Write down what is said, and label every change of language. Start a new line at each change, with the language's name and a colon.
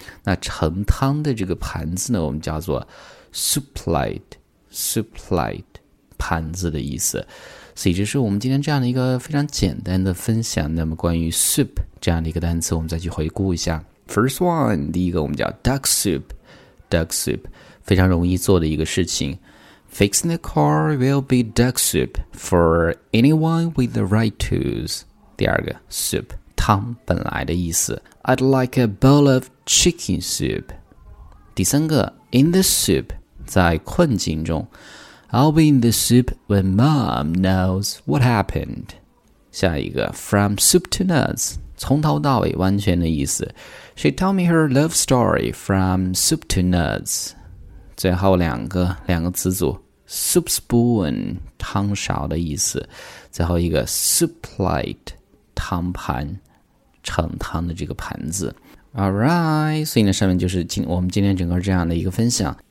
Chinese: 那盛汤的这个盘子呢我们叫做 soup plate， 盘子的意思。所以这是我们今天这样的一个非常简单的分享。那么关于 soup 这样的一个单词我们再去回顾一下。 First one， 第一个我们叫 duck soup， 非常容易做的一个事情。
English: Fixing the car will be duck soup for anyone with the right tools。
Chinese: 第二个 soup 汤本来的意思。
English: I'd like a bowl of chicken soup。
Chinese: 第三个 in the soup， 在困境中。
English: I'll be in the soup when mom knows what happened.
Chinese: 下一个 from soup to nuts， 从头到尾完全的意思。
English: She told me her love story from soup to nuts.
Chinese: 最后两个词组 soup spoon 汤勺的意思，最后一个 soup plate 汤盘，盛汤的这个盘子。 Alright， 所以呢上面就是我们今天整个这样的一个分享。